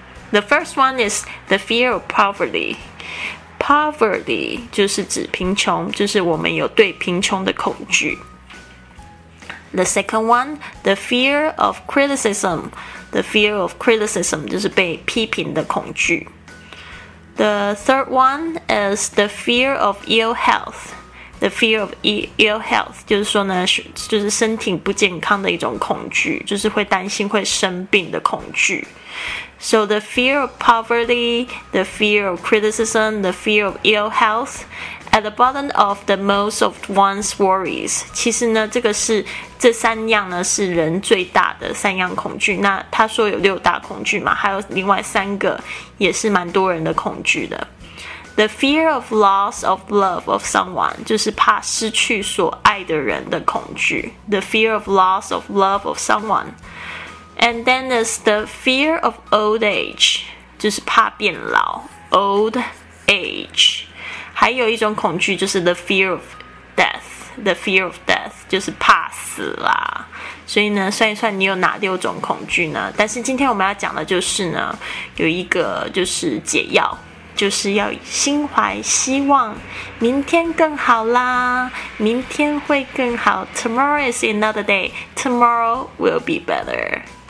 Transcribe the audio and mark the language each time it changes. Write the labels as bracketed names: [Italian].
[English] The first one is the fear of poverty。 [Chinese] Poverty 就是指贫穷，就是我们有对贫穷的恐惧。 [English] The second one, the fear of criticism。 The fear of criticism [Chinese] 就是被批评的恐惧。 [English] The third one is the fear of ill health。 The fear of ill health [Chinese] 就是说呢，就是身体不健康的一种恐惧，就是会担心会生病的恐惧。 [English] So the fear of poverty, the fear of criticism, the fear of ill health at the bottom of the most of one's worries。 [Chinese] 其实呢，这个是这三样呢是人最大的三样恐惧。那他说有六大恐惧嘛，还有另外三个也是蛮多人的恐惧的。 [English] The fear of loss of love of someone [Chinese] 就是怕失去所爱的人的恐惧。 [English] The fear of loss of love of someone。 And then is the fear of old age [Chinese] 就是怕变老。 [English] Old age。 [Chinese] 还有一种恐惧就是 [English] the fear of death。 The fear of death [Chinese] 就是怕死啦。所以呢，算一算你有哪六种恐惧呢？但是今天我们要讲的就是呢，有一个就是解药，就是要心怀希望，明天更好啦，明天会更好。 [English] Tomorrow is another day, tomorrow will be better。